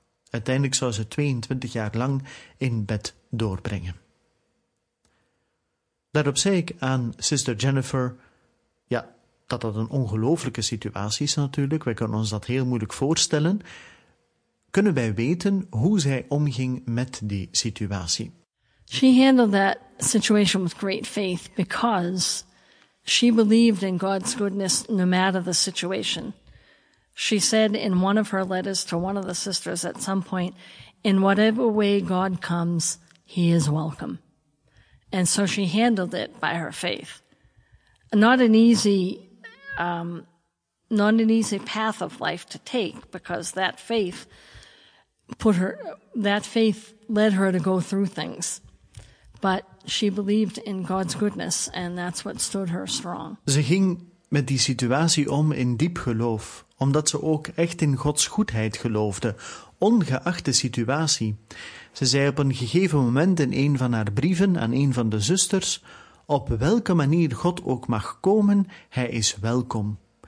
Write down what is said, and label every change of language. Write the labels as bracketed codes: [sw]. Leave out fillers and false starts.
[nl] Uiteindelijk zou ze 22 jaar lang in bed doorbrengen. Daarop zei ik aan Sister Jennifer, ja, dat dat een ongelooflijke situatie is natuurlijk, wij kunnen ons dat heel moeilijk voorstellen. Kunnen wij weten hoe zij omging met die situatie? [en] She handled that situation with great faith because she believed in God's goodness no matter the situation. She said in one of her letters to one of the sisters at some point, in whatever way God comes, he is welcome. And so she handled it by her faith. Not an easy path of life to take, because that faith led her to go through things. But she believed in God's goodness, and that's what stood her strong. [nl] Ze ging met die situatie om in diep geloof, omdat ze ook echt in Gods goedheid geloofde, ongeacht de situatie. Ze zei op een gegeven moment in een van haar brieven aan een van de zusters: op welke manier God ook mag komen, hij is welkom.